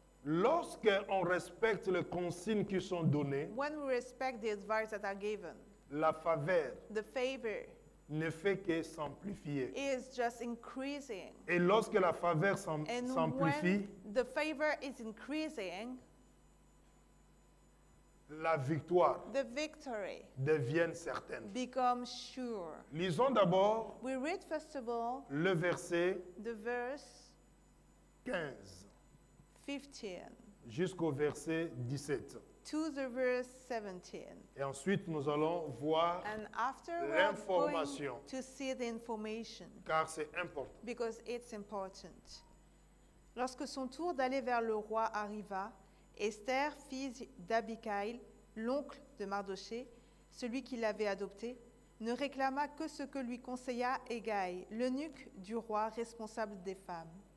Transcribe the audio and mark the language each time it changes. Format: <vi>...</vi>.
<fr>lorsque on respecte les consignes qui sont données,</fr> <en>when we respect the advice that are given,</en> <fr>la faveur</fr> <en>the favor</en> <fr>ne fait que s'amplifier.</fr> <en>Is just increasing.</en> <fr>Et lorsque la faveur s'amplifie,</fr> <en>and when the favor is increasing,</en> <fr>la victoire</fr> <en>the victory</en> <fr>devient certaine.</fr> <en>Become sure.</en> <fr>Lisons d'abord</fr> <en>we read first of all</en> <fr>le verset</fr> <en>the verse</en> <fr>15.</fr> <en>15.</en> <fr>Jusqu'au verset 17.</fr> <en>To the verse 17.</en> <fr>Et ensuite, nous allons voir l'information.</fr> <en>And after we're going to see the information.</en> <fr>Car c'est important.</fr> <en>Because it's important.</en> <fr>Lorsque son tour d'aller vers le roi arriva, Esther, fille d'Abikaïl, l'oncle de Mardoché, celui qui l'avait adoptée, ne réclama que ce que lui conseilla Hegai, l'eunuque du roi responsable des femmes.</fr>